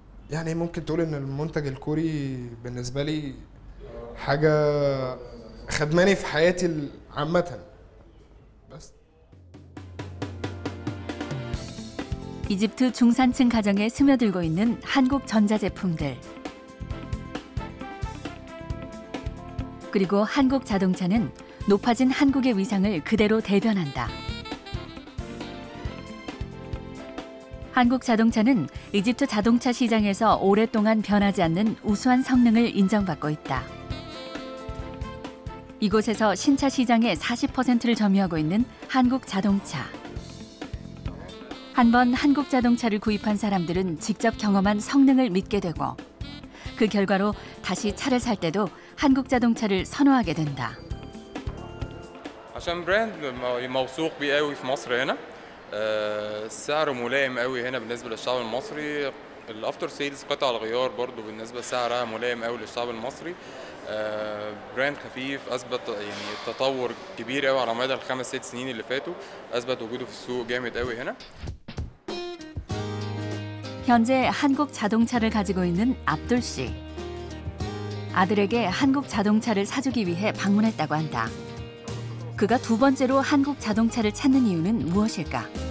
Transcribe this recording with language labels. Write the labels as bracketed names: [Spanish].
[Arabic] يعني ممكن تقول إن المنتج الكوري بالنسبة لي حاجة خدماني في حياتي عامة بس [Korean] 이집트 중산층 가정에 스며들고 있는 한국 전자 제품들 그리고 한국 자동차는 높아진 한국의 위상을 그대로 대변한다. 한국 자동차는 이집트 자동차 시장에서 오랫동안 변하지 않는 우수한 성능을 인정받고 있다. 이곳에서 신차 시장의 40%를 점유하고 있는 한국 자동차. 한번 한국 자동차를 구입한 사람들은 직접 경험한 성능을 믿게 되고 그 결과로 다시 차를 살 때도 한국 자동차를 선호하게 된다. [English] 아시안 브랜드 [Arabic] موثوق قوي في مصر هنا. السعر ملائم قوي هنا بالنسبه للشعب المصري. [English] الافتر سيلز [Arabic] قطع الغيار برضو بالنسبه لسعرها ملائم قوي للشعب المصري. براند خفيف اثبت يعني تطور كبير قوي على مدى الخمس ست سنين اللي فاتوا اثبت وجوده في السوق جامد قوي هنا [Korean] 현재 한국 자동차를 가지고 있는 압둘 씨 아들에게 한국 자동차를 사주기 위해 방문했다고 한다 그가 두 번째로 한국 자동차를 찾는 이유는 무엇일까